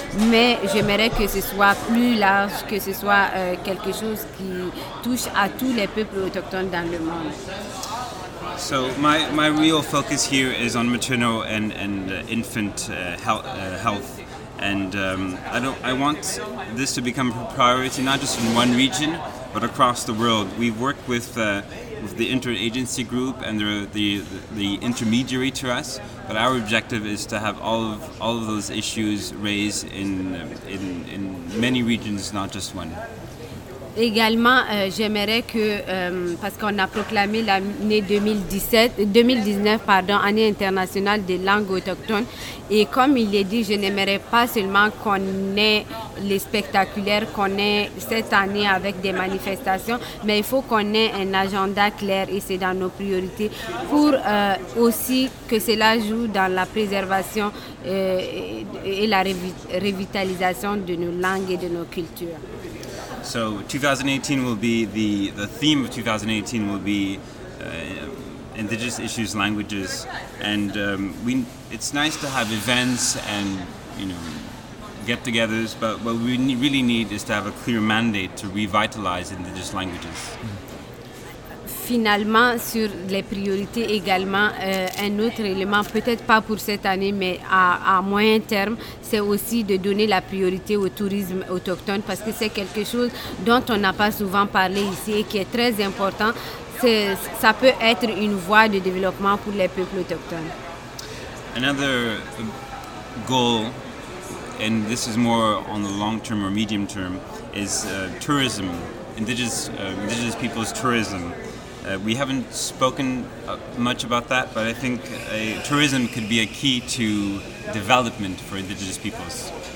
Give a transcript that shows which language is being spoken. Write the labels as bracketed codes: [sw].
[fr] Mais j'aimerais que ce soit plus large, que ce soit quelque chose qui touche à tous les peuples autochtones dans le monde. [en] So my real focus here is on maternal and infant health, and I want this to become a priority not just in one region but across the world. We've worked with the interagency group and the intermediary to us, but our objective is to have all of those issues raised in many regions, not just one. [fr] Également, j'aimerais que, parce qu'on a proclamé l'année 2019, année internationale des langues autochtones, et comme il est dit, je n'aimerais pas seulement qu'on ait les spectaculaires, qu'on ait cette année avec des manifestations, mais il faut qu'on ait un agenda clair, et c'est dans nos priorités, pour aussi que cela joue dans la préservation et la revitalisation de nos langues et de nos cultures. [en] So 2018 will be the theme of 2018 will be indigenous issues, languages, and it's nice to have events and, you know, get-togethers, but what we really need is to have a clear mandate to revitalize indigenous languages. [fr] Finalement, sur les priorités également, un autre élément, peut-être pas pour cette année, mais à moyen terme, c'est aussi de donner la priorité au tourisme autochtone, parce que c'est quelque chose dont on n'a pas souvent parlé ici et qui est très important. Ça peut être une voie de développement pour les peuples autochtones. [en] Another goal, and this is more on the long term or medium term, is tourism, indigenous people's tourism. We haven't spoken much about that, but I think tourism could be a key to development for indigenous peoples.